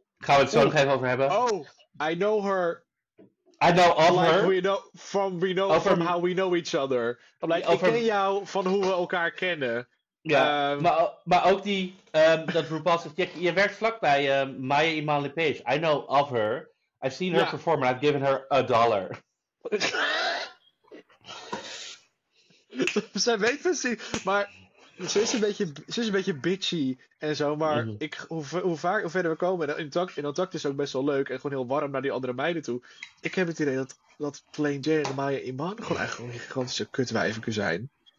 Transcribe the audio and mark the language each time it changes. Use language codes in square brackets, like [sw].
[nl] Gaan we het zo nog even over hebben. [en] Oh, I know her. I know of like her. From how we know each other. I'm like, over... [nl] Ik ken jou van hoe we elkaar kennen. Ja, maar ook die, dat RuPaul zegt, je werkt vlakbij Maya Imali Page. [en] I know of her. I've seen her perform and I've given her $1. [nl] Zij weet precies, maar ze is een beetje bitchy en zo, maar hoe verder we komen, in contact is ook best wel leuk en gewoon heel warm naar die andere meiden toe. Ik heb het idee dat Plain Jane en Maya Iman gewoon eigenlijk een gigantische kutwijven kunnen zijn.